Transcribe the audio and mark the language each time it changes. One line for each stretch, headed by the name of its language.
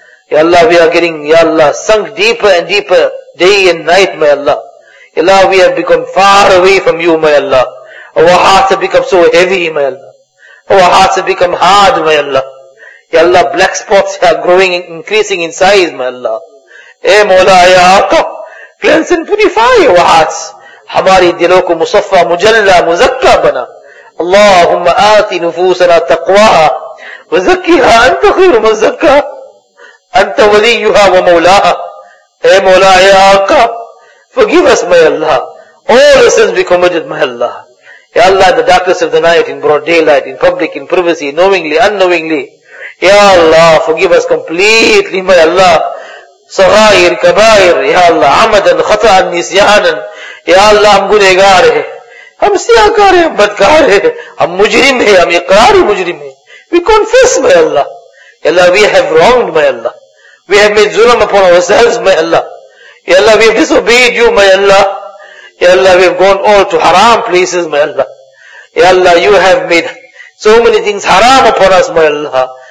English: Ya Allah, we are getting, ya Allah, sunk deeper and deeper, day and night, my Allah. Ya Allah, we have become far away from you, my Allah. Our hearts have become so heavy, my Allah. Our hearts have become hard, my Allah. Ya Allah, black spots are growing and increasing in size, my Allah. Eh, Mawla, ya Aqa, cleanse and purify our hearts.
Arabic: ہماری دلوں کو مصفہ مجلہ مزکہ بنا. اللہم آتی نفوسنا تقواہا وزکیہا انت خیر مزکہ انت ولیہا ومولاہا.
English: اے مولا اے آقا, forgive us my Allah. All the sins be committed my Allah. یا اللہ, in the darkness of the night, in broad daylight, in public, in privacy, knowingly, unknowingly, یا اللہ, forgive us completely my Allah.
Arabic: صغائر کبائر یا اللہ, عمدن خطاً نسیانن.
Urdu: یا اللہ, ہم گنہگار ہیں, ہم سیاہکار ہیں, ہم بدکار ہیں, ہم مجرم ہیں, ہم اقراری مجرم ہیں.
English: We confess my Allah. یا اللہ, we have wronged my Allah. We have made ظلم upon ourselves my Allah. یا اللہ, we have disobeyed you my Allah. یا اللہ, we have gone all to haram places my Allah. یا اللہ, you have made so many things haram upon us my Allah.